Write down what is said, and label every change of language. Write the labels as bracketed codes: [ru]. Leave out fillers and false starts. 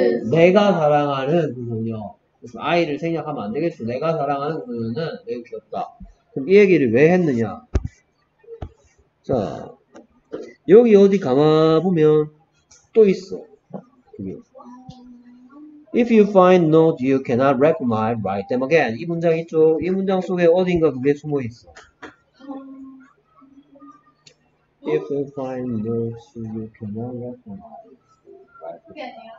[ko] 내가 사랑하는 그 소녀. 그래서 아이를 생략하면 안 되겠죠. 내가 사랑하는 그 소녀는 매우 귀엽다. 그럼 이 얘기를 왜 했느냐? 자, 여기 어디 감아보면 또 있어. [en] If you find note, you cannot recognize, write them again. [ko] 이 문장 있죠? 이 문장 속에 어딘가 그게 숨어있어. [en] If you find note, you cannot recognize, write them.